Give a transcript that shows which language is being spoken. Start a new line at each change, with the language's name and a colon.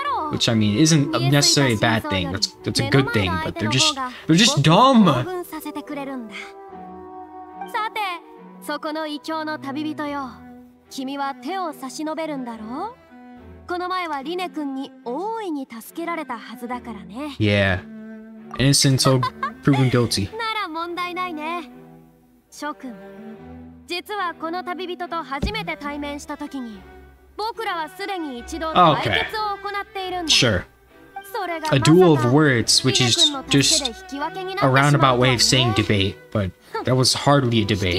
English: Which, I mean, isn't necessarily a bad thing. That's a good thing, but they're just dumb!
Japanese: さて、そこの異教の旅人よ。君は手を差し伸べるんだろう。この前はリネ君に大いに助けられたはずだからね。
English: Yeah. Innocent so proven guilty.
Japanese: なら問題ないね。諸君、実はこの旅人と初めて対面した時に、僕らはすでに一度対決を行っているんだ。
English: Okay. Sure. A duel of words, which is just a roundabout way of saying debate, but that was hardly a debate.